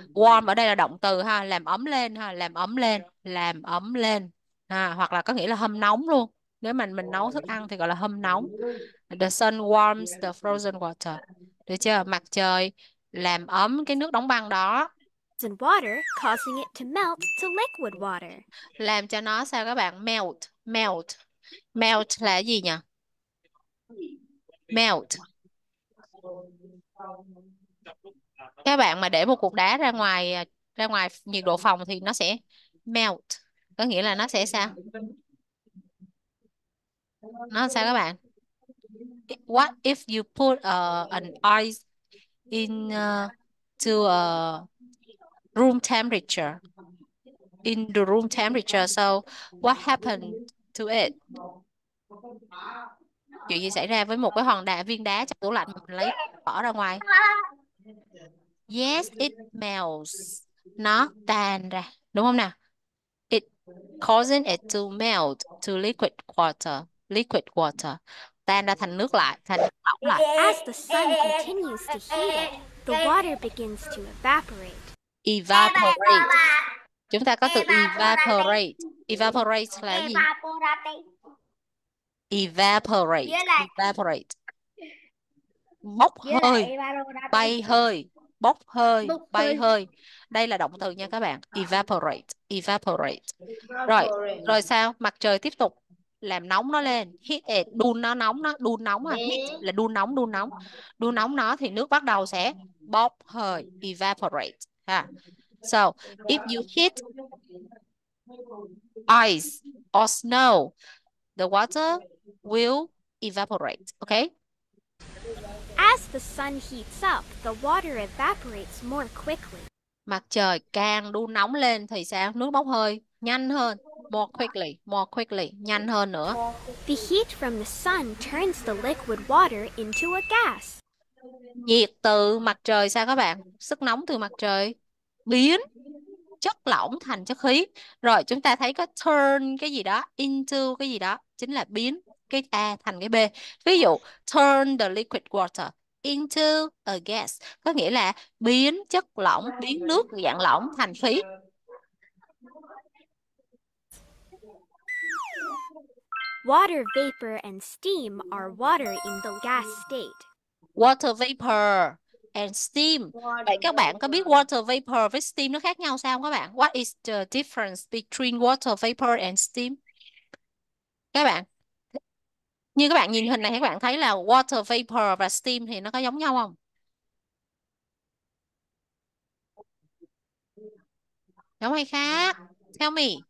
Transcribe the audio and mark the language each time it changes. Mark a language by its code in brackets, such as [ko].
[vi] Warm ở đây là động từ ha, làm ấm lên ha, làm ấm lên, làm ấm lên. À, hoặc là có nghĩa là hâm nóng luôn. Nếu mà mình nấu thức ăn thì gọi là hâm nóng. [en] The sun warms the frozen water. [vi] Được chưa? Mặt trời làm ấm cái nước đóng băng đó. [en] And water, causing it to melt to liquid water. [vi] Làm cho nó sao các bạn? Melt, melt. Melt là gì nhỉ? Melt. Các bạn mà để một cục đá ra ngoài nhiệt độ phòng thì nó sẽ melt. Có nghĩa là nó sẽ sao? Nó sao các bạn? [en] What if you put an ice in to a room temperature? In the room temperature, so what happened to it? [vi] Chuyện gì xảy ra với một cái hòn đá viên đá trong tủ lạnh mà mình lấy bỏ ra ngoài? [en] Yes, it melts. [vi] Nó tan ra, đúng không nào? [en] It causing it to melt to liquid water. Liquid water. [vi] Tan ra thành nước lại, thành lỏng lại. [en] As the sun continues to heat it, the water begins to evaporate. Evaporate. [vi] Chúng ta có từ evaporate. Evaporate là gì? Evaporate. Evaporate. Bốc hơi. Bay hơi. Bốc hơi. Bay hơi. Đây là động từ nha các bạn. Evaporate. Evaporate. Rồi. Rồi sao? Mặt trời tiếp tục làm nóng nó lên. [en] Heat it. [vi] Đun nó nóng. Nó. Đun nóng. À. Heat là đun nóng. Đun nóng. Đun nóng nó thì nước bắt đầu sẽ bốc hơi. [en] Evaporate. Ha. So, if you heat ice or snow, the water will evaporate, okay? As the sun heats up, the water evaporates more quickly. [vi] Mặt trời càng đun nóng lên thì sao? Nước bốc hơi nhanh hơn. [en] More quickly, [vi] nhanh hơn nữa. [en] The heat from the sun turns the liquid water into a gas. [vi] Nhiệt từ mặt trời sao các bạn? Sức nóng từ mặt trời biến chất lỏng thành chất khí. Rồi chúng ta thấy có turn cái gì đó into cái gì đó, chính là biến cái A thành cái B. Ví dụ [en] turn the liquid water into a gas [vi] có nghĩa là biến chất lỏng, biến nước dạng lỏng thành khí. [en] Water vapor and steam are water in the gas state. Water vapor and steam. [vi] Vậy các bạn có biết water vapor với steam nó khác nhau sao không các bạn? [en] What is the difference between water vapor and steam? [vi] Các bạn, như các bạn nhìn hình này các bạn thấy là water vapor và steam thì nó có giống nhau không? Giống hay khác? [en] Tell me.